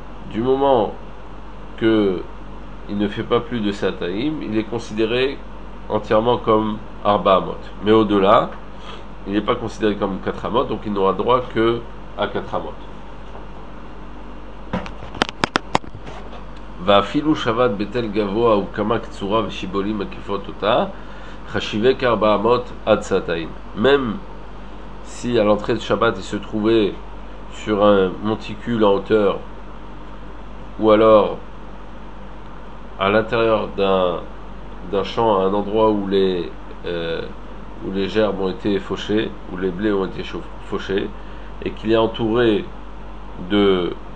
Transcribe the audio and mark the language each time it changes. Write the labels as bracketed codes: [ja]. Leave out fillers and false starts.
[fr] Du moment que il ne fait pas plus de se ataim, il est considéré entièrement comme 4 amot. Mais au-delà, il n'est pas considéré comme 4 amot, donc il n'aura droit que à 4 amot. [he] ואפילו שבת בתל גבוה וכמה קצורה ושיבולים מקיפות אותה, חשיבה כארבע אמות עד סעתאים. [fr] Même si à l'entrée de Shabbat il se trouvait sur un monticule en hauteur, ou alors à l'intérieur d'un champ, à un endroit où les gerbes ont été fauchées, où les blés ont été fauchés, et qu'il est entouré de